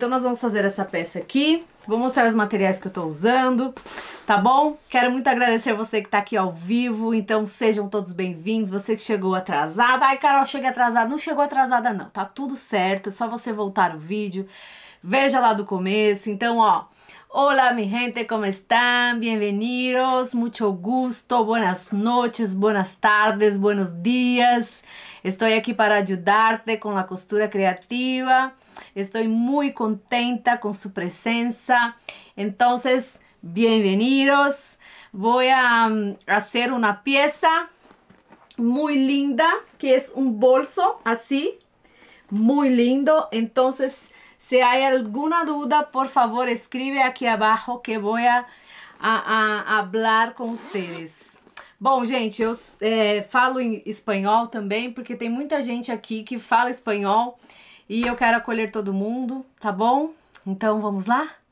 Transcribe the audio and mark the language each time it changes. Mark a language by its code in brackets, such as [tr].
[pt] Então nós vamos fazer essa peça aqui. Vou mostrar os materiais que eu tô usando, tá bom? Quero muito agradecer você que tá aqui ao vivo, então sejam todos bem-vindos. Você que chegou atrasada, ai, Carol, cheguei atrasada. Não chegou atrasada, não, tá tudo certo. É só você voltar o vídeo, veja lá do começo. Então, ó. [es] Hola, mi gente, como están? Bienvenidos, mucho gusto, buenas noches, buenas tardes, buenos días. Estoy aquí para ayudarte con la costura creativa. Estoy muy contenta con su presencia. Entonces, bienvenidos. Voy a hacer una pieza muy linda, que es un bolso así, muy lindo. [pt] Entonces, se há alguma dúvida, por favor, escreve aqui abaixo que vou a hablar com vocês. Bom, gente, eu falo em espanhol também, porque tem muita gente aqui que fala espanhol e eu quero acolher todo mundo, tá bom? Então vamos lá?